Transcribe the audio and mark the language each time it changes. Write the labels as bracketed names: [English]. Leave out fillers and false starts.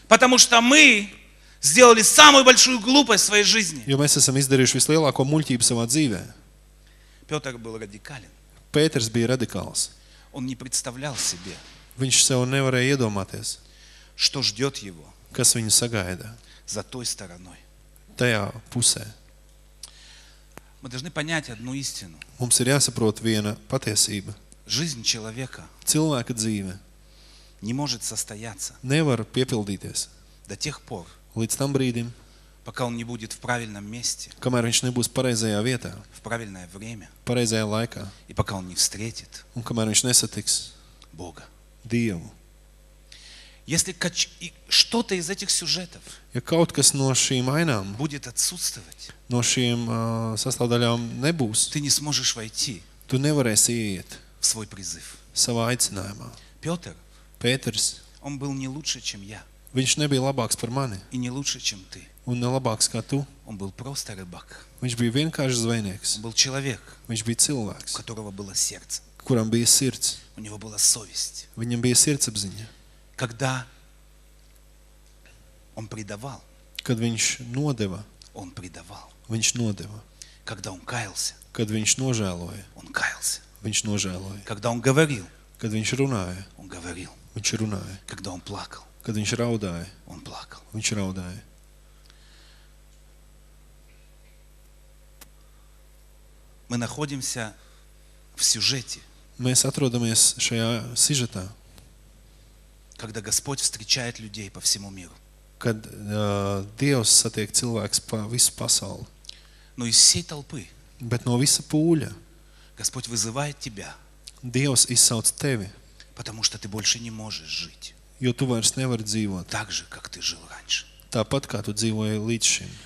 [Russian] Потому что мы сделали самую большую глупость в своей жизни. [Latvian] Jo mēs esam izdarījuši vislielāko muļķību savā dzīvē. [Russian] Пётр был радикален. [Latvian] Пётрs bija radikāls. [Russian] Он не представлял себе. [Latvian] Viņš sev nevarēja iedomāties. [Russian] Что ждёт его? [Latvian] Kas viņu sagaida? [Russian] За той стороной. [Latvian] Tajā pusē. [Russian] Мы должны понять одну истину. [Latvian] Mums ir jāsaprot viena patiesība. [Russian] Жизнь человека. [Latvian] Cilvēka dzīve. [Russian] Не может состояться. [Latvian] Nevar piepildīties. [Russian] До тех пор. [Latvian] Līdz tam brīdim, [Russian] пока он не будет в правильном месте, [Latvian] kamēr viņš nebūs pareizajā vietā, [Russian] в правильное время, [Latvian] pareizajā laikā, [Russian] и пока он не встретит, [Latvian] un kamēr viņš nesatiks [Russian] Бога, [Latvian] Dievu. [Russian] Если что-то из этих сюжетов, [Latvian] ja kaut kas no šīm ainām [Russian] будет отсутствовать, [Latvian] no šīm sastāvdaļām nebūs, [Russian] ты не сможешь войти, [Latvian] tu nevarēsi ieiet [Russian] в свой призыв, [Latvian] savā aicinājumā. [Russian] Пётр, [Latvian] Петрs, [Russian] он был не лучше, чем я. [Latvian] Viņš nebija labāks par mani. [Russian] И не лучше, чем ты. [Latvian] Un ne labāks kā tu. [Russian] Он был просто рыбак. [Latvian] Viņš bija vienkārši zvejnieks. [Russian] Он был человек. [Latvian] Viņš bija cilvēks. [Russian] У которого было сердце. [Latvian] Kuram bija sirds. [Russian] У него была совесть. [Latvian] Viņam bija sirdsapziņa. [Russian] Когда он предавал. [Latvian] Kad viņš nodeva. [Russian] Он предавал. [Latvian] Viņš nodeva. [Russian] Когда он каялся. [Latvian] Kad viņš nožēloja. [Russian] Он каялся. [Latvian] Viņš nožēloja. [Russian] Когда он говорил. [Latvian] Kad viņš runāja. [Russian] Он говорил. [Latvian] Viņš runāja. [Russian] Когда он плакал. [Latvian] Kad viņš raudāja, un plakal. Viņš raudāja. [Russian] Мы находимся в сюжете. [Latvian] Mēs atrodamies šajā sižetā. [Russian] Когда Господь встречает людей по всему миру. [Latvian] Kad Dievs satiek cilvēks pa visu pasauli. [Russian] Но из всей толпы. [Latvian] Bet no visa pūļa. [Russian] Господь вызывает тебя. [Latvian] Dievs izsauc tevi. [Russian] Потому что ты больше не можешь жить. [Latvian] Jo tu vairs nevari dzīvot. [Russian] Так же, как ты жил раньше. [Latvian] Tāpat kā tu dzīvoji līdz šim.